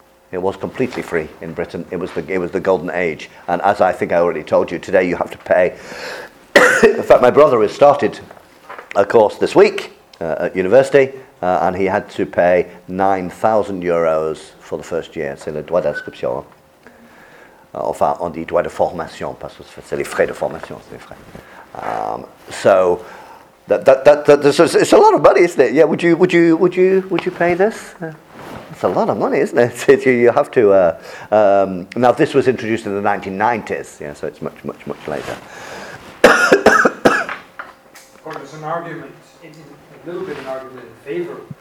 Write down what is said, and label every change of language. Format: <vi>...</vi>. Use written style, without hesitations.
<en>It was completely free in Britain. It was the golden age. And as I think I already told you, today you have to pay. In fact, my brother has started a course this week at university, and he had to pay 9,000 euros for the first year.</en> <fr>C'est le droit d'inscription. Enfin, on dit droit de formation, parce que c'est les frais de formation, c'est les frais.</fr> <en>It's a lot of money, isn't it? Yeah, would you pay this? It's a lot of money, isn't it? You have to. Now, this was introduced in the 1990s, yeah, so it's much, much, much later. There's an argument, a little bit in favour.</en>